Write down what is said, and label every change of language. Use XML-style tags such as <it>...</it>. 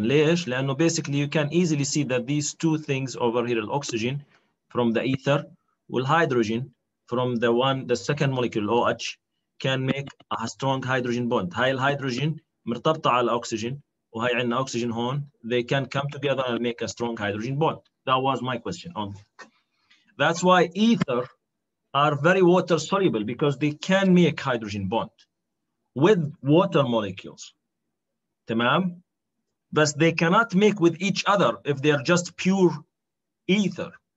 <ar>ليش؟ لأنه</ar> <en>basically you can easily see that these two things over here, the oxygen from the ether والhydrogen from the one, the second molecule OH can make a strong hydrogen bond.</en> <ar>هاي الهيدروجين مرتبطة على الأكسجين وهاي عندنا أكسجين هون.</ar> <en>They can come together and make a strong hydrogen bond. That was my question. That's why ether are very water soluble because they can make hydrogen bond with water molecules.</en> <ar>تمام؟</ar> <en>But they cannot make with each other if they are just pure ether.</en>